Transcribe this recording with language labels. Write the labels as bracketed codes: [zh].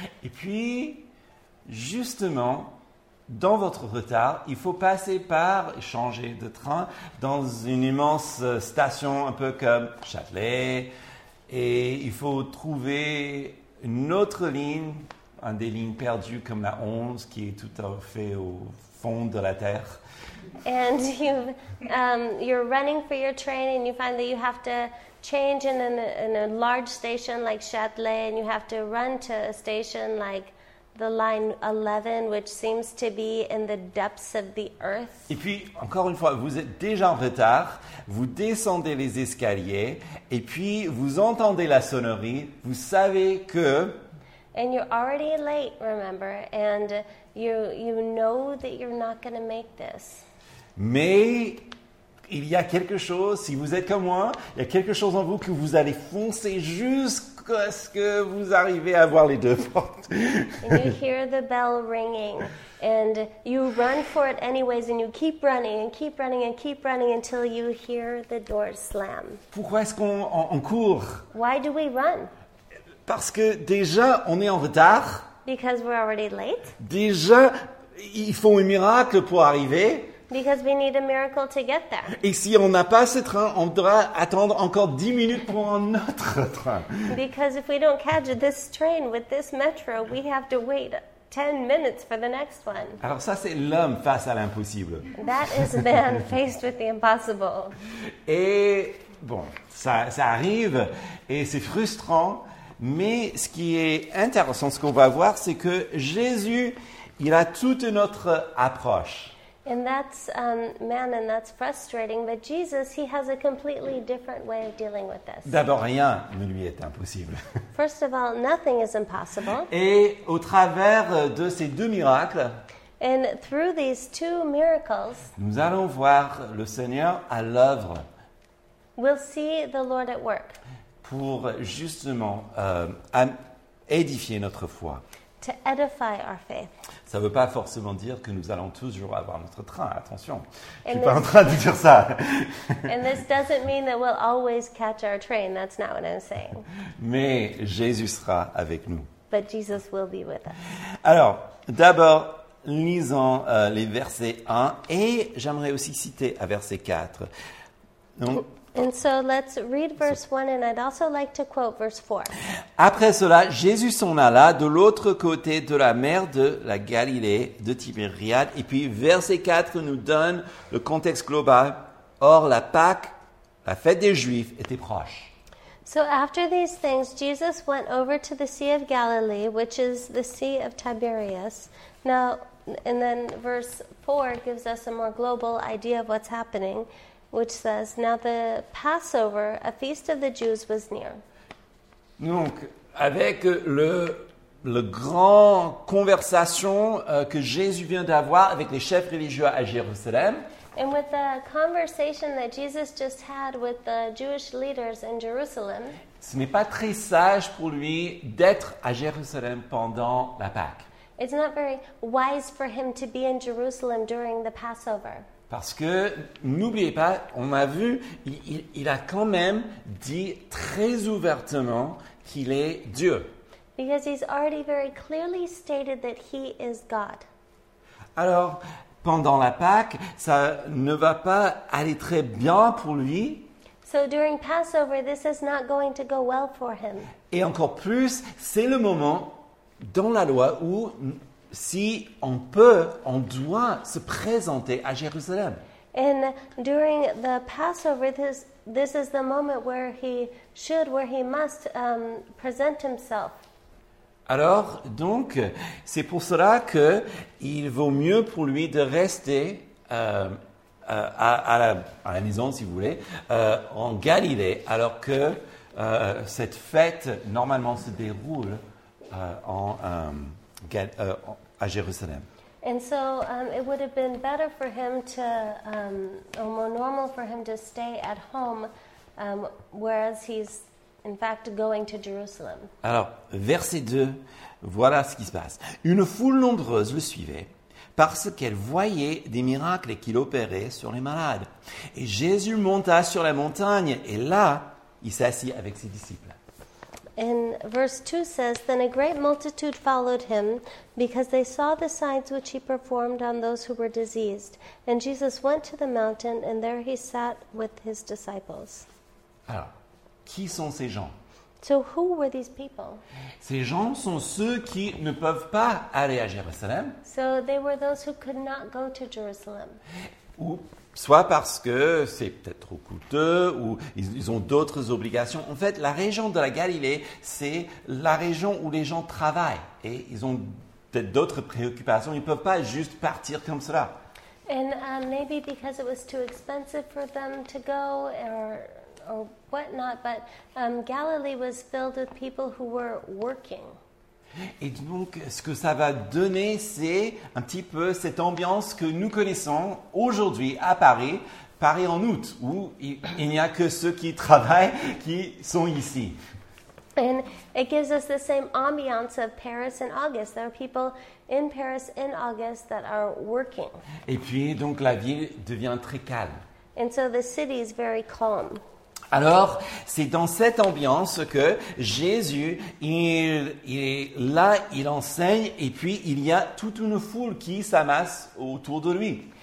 [fr] Et puis justement dans votre retard, il faut passer par changer de train dans une immense station un peu comme Châtelet et il faut trouver une autre ligne, une des lignes perdues comme la 11 qui est tout à fait au fond de la terre. [en] And you're running for your train and you find that you have to change in a large station like Châtelet and you have to run to a station like the line 11, which seems to be in the depths of the earth. [fr] Et puis, encore une fois, vous êtes déjà en retard, vous descendez les escaliers, et puis vous entendez la sonnerie, vous savez que... [en] And you're already late, remember, and you know that you're not going to make this. [fr] Mais il y a quelque chose, si vous êtes comme moi, il y a quelque chose en vous que vous allez foncer jusqu'à... Est-ce que vous arrivez à voir les deux portes? [en] And you hear the bell ringing and you run for it anyways and you keep running and keep running and keep running until you hear the door slam. [fr] Pourquoi est-ce qu'on on court? [en] Why do we run? [fr] Parce que déjà on est en retard. [en] Because we're already late. [fr] Déjà ils font un miracle pour arriver. [en] Because we need a miracle to get there. [fr] Et si on n'a pas ce train, on devra attendre encore 10 minutes pour un autre train. [en] Because if we don't catch this train with this metro, we have to wait 10 minutes for the next one. [fr] Alors ça, c'est l'homme face à l'impossible. [en] That is man faced with the impossible. [fr] Et bon, ça arrive et c'est frustrant. Mais ce qui est intéressant, ce qu'on va voir, c'est que Jésus, il a toute une autre approche. [en] And that's man, and that's frustrating. But Jesus, he has a completely different way of dealing with this. [fr] D'abord, rien ne lui est impossible. [en] First of all, nothing is impossible. [fr] Et au travers de ces deux miracles, [en] and through these two miracles, [fr] nous allons voir le Seigneur à l'œuvre. [en] We'll see the Lord at work. [fr] Pour justement édifier notre foi. [en] To edify our faith. [fr] Ça ne veut pas forcément dire que nous allons toujours avoir notre train. Attention, je ne suis pas en train de dire ça. [en] And this doesn't mean that we'll always catch our train. That's not what I'm saying. [fr] Mais Jésus sera avec nous. [en] But Jesus will be with us. [fr] Alors, d'abord, lisons les versets 1 et j'aimerais aussi citer à verset 4. [en] Donc, and so let's read verse 1 and I'd also like to quote verse 4. [fr] Après cela, Jésus s'en alla de l'autre côté de la mer de la Galilée, de Tibériade. Et puis verset 4 nous donne le contexte global. Or, la Pâque, la fête des Juifs, était proche. [en] So after these things, Jesus went over to the Sea of Galilee, which is the Sea of Tiberias. Now, and then verse 4 gives us a more global idea of what's happening. Which says, now the Passover, a feast of the Jews, was near. [fr] Donc, avec le grand conversation que Jésus vient d'avoir avec les chefs religieux à Jérusalem. [en] And with the conversation that Jesus just had with the Jewish leaders in Jerusalem. [fr] Ce n'est pas très sage pour lui d'être à Jérusalem pendant la Pâque. [en] It's not very wise for him to be in Jerusalem during the Passover. [fr] Parce que, n'oubliez pas, on a vu, il a quand même dit très ouvertement qu'il est Dieu. [en] Because he's already very clearly stated that he is God. [fr] Alors, pendant la Pâque, ça ne va pas aller très bien pour lui. [en] So during Passover, this is not going to go well for him. [fr] Et encore plus, c'est le moment dans la loi où si on peut, on doit se présenter à Jérusalem. [en] And during the Passover, this is the moment where he must present himself. [fr] Alors, donc, c'est pour cela qu'il vaut mieux pour lui de rester à la maison, si vous voulez, en Galilée, alors que cette fête, normalement, se déroule à Jérusalem. [en] And so, it would have been better for him to, or more normal for him to stay at home, whereas he's, in fact, going to Jerusalem. [fr] Alors, verset 2, voilà ce qui se passe. Une foule nombreuse le suivait parce qu'elle voyait des miracles qu'il opérait sur les malades. Et Jésus monta sur la montagne et là, il s'assit avec ses disciples. [en] And verse 2 says, then a great multitude followed him because they saw the signs which he performed on those who were diseased. And Jesus went to the mountain and there he sat with his disciples. [fr] Alors, qui sont ces gens? [en] So who were these people? [fr] Ces gens sont ceux qui ne peuvent pas aller à Jérusalem. [en] So they were those who could not go to Jerusalem. [fr] Ou soit parce que c'est peut-être trop coûteux ou ils ont d'autres obligations. En fait, la région de la Galilée, c'est la région où les gens travaillent et ils ont peut-être d'autres préoccupations, ils peuvent pas juste partir comme cela. [en] And maybe because it was too expensive for them to go or what not, but Galilee was filled with people who were working. [fr] Et donc, ce que ça va donner, c'est un petit peu cette ambiance que nous connaissons aujourd'hui à Paris, Paris en août, où il n'y a que ceux qui travaillent qui sont ici. [en] And it gives us the same ambiance of Paris in August. There are people in Paris in August that are working. [fr] Et puis, donc, la ville devient très calme. [en] And so the city is very calm. [fr] Alors, c'est dans cette ambiance que Jésus, il est là, il enseigne, et puis il y a toute une foule qui s'amasse autour de lui.